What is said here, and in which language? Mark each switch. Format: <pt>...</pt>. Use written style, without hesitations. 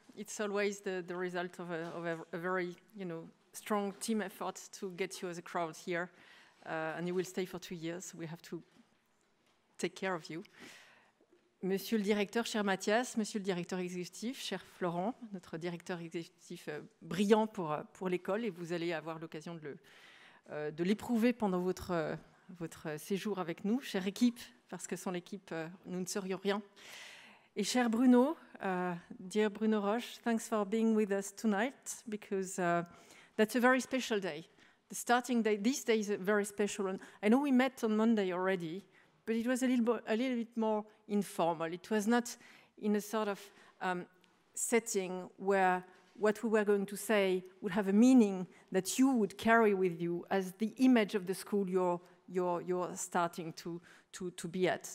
<en>It's always the result of a very, you know, strong team effort to get you as a crowd here. And you will stay for 2 years. We have to take care of you.</en> <fr>Monsieur le directeur, cher Mathias, monsieur le directeur exécutif, cher Florent, notre directeur exécutif brillant pour l'école, et vous allez avoir l'occasion de l'éprouver pendant votre séjour avec nous, chère équipe, parce que sans l'équipe, nous ne serions rien. Et cher Bruno,</fr> <en>dear Bruno Roche, thanks for being with us tonight, because that's a very special day. The starting day, this day is a very special one. I know we met on Monday already, but it was a little bit more informal. It was not in a sort of setting where what we were going to say would have a meaning that you would carry with you as the image of the school you're starting to be at.</en>